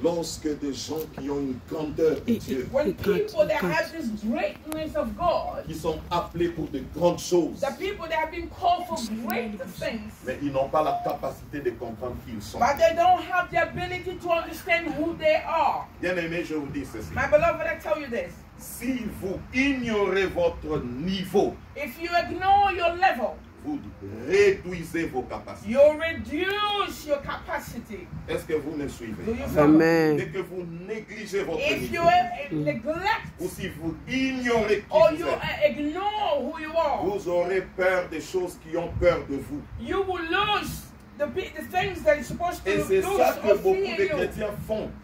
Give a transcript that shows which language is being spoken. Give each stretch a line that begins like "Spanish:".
French: Lorsque des gens qui ont une grandeur de Dieu.
English: When people that have this greatness of God.
French: Qui sont appelés pour de grandes choses.
English: The people that have been called for great things.
French: Mais ils n'ont pas la capacité de comprendre qui ils sont.
English: But they don't have the ability to understand who they are.
French: Bien aimé, je vous dis ceci.
English: My beloved, I tell you this.
French: Si vous ignorez votre niveau,
English: if you ignore your level,
French: vous réduisez vos capacités.
English: You reduce your capacity.
French: Est-ce que vous me suivez?
English: Amen.
French: Dès que vous négligez votre
English: if
French: niveau,
English: you neglect,
French: ou si vous ignorez qui
English: or you ignore who you are,
French: vous aurez peur des choses qui ont peur de vous.
English: You will lose the things that are supposed to
French: et Et c'est ça que beaucoup de chrétiens font.